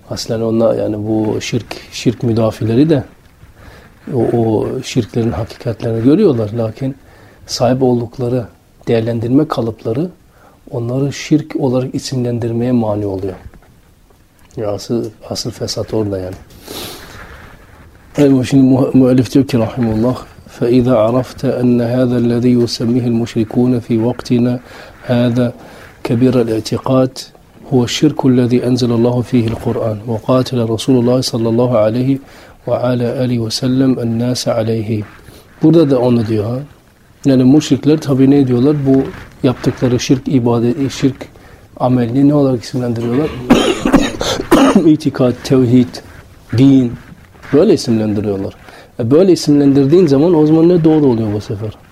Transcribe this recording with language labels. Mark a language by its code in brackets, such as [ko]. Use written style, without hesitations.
[tr] Aslen onlar yani bu şirk müdafileri de o şirklerin hakikatlerini görüyorlar. Lakin sahip oldukları değerlendirme kalıpları onları şirk olarak isimlendirmeye mani oluyor. Ya asıl fesat orada yani. Evet, şimdi müellif diyor ki rahimullah. [ar] فَاِذَا عَرَفْتَ اَنَّ هَذَا الَّذ۪ي يُسَمِّهِ الْمُشْرِكُونَ ف۪ي وَقْتِنَا هَذَا كبير الاعتقاد هو الشرك الذي أنزل الله فيه القرآن وقاتل رسول الله صلى الله عليه وعلى آله وسلم الناس عليه. [tr] Burada da onu diyor ha. Yani müşrikler tabi ne diyorlar? Bu yaptıkları şirk ibadeti, şirk amelini ne olarak isimlendiriyorlar? İtikad, tevhid, din Böyle isimlendiriyorlar. Böyle isimlendirdiğin zaman o zaman ne doğru oluyor bu sefer?